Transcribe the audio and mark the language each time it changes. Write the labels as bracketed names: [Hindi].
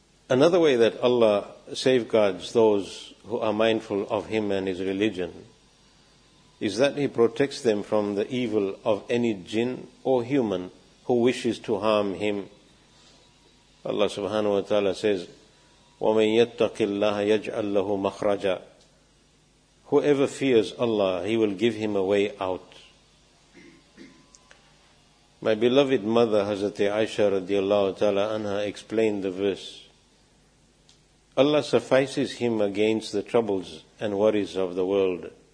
[English] Another way that Allah safeguards those who are mindful of Him and His religion is that He protects them from the evil of any jinn or human who wishes to harm Him. Allah subhanahu wa ta'ala says, [Arabic] وَمَنْ يَتَّقِ اللَّهَ يَجْعَلْ لَهُ مَخْرَجًا. [English] Whoever fears Allah, He will give him a way out. My beloved mother, Hazrat Aisha radiallahu ta'ala anha, explained the verse. Allah suffices him against the troubles and worries of the world.